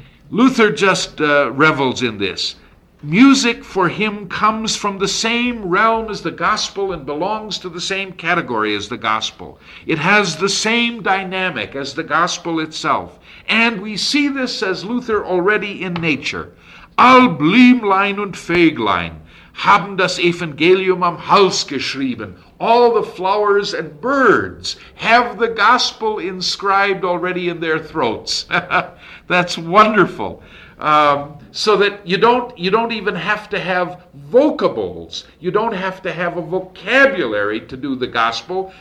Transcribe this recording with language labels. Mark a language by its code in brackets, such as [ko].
[en] Luther just revels in this. Music for him comes from the same realm as the gospel and belongs to the same category as the gospel. It has the same dynamic as the gospel itself. And we see this, says Luther, already in nature. [de] All Blümlein und Vöglein haben das Evangelium am Hals geschrieben. [en] All the flowers and birds have the gospel inscribed already in their throats. That's wonderful. So that you don't even have to have vocables. You don't have to have a vocabulary to do the gospel.